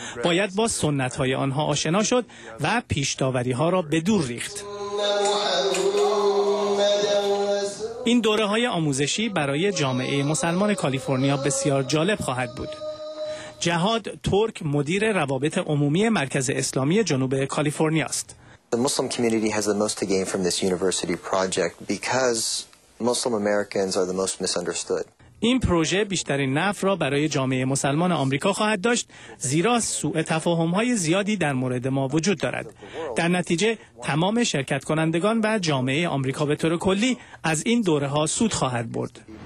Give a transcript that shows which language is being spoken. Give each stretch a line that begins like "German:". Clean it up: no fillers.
Persian: باید با سنت‌های آنها آشنا شد و پیش‌داوری‌ها را به دور ریخت. این دوره‌های آموزشی برای جامعه مسلمان کالیفرنیا بسیار جالب خواهد بود. جهاد ترک مدیر روابط عمومی مرکز اسلامی جنوب کالیفرنیا است.
English: The Muslim community has the most to gain from this university project because Muslim Americans are the most misunderstood.
Persian: این پروژه بیشترین نفع را برای جامعه مسلمان آمریکا خواهد داشت، زیرا سوء تفاهم‌های زیادی در مورد ما وجود دارد. در نتیجه تمام شرکت کنندگان و جامعه آمریکا به طور کلی از این دوره‌ها سود خواهد برد.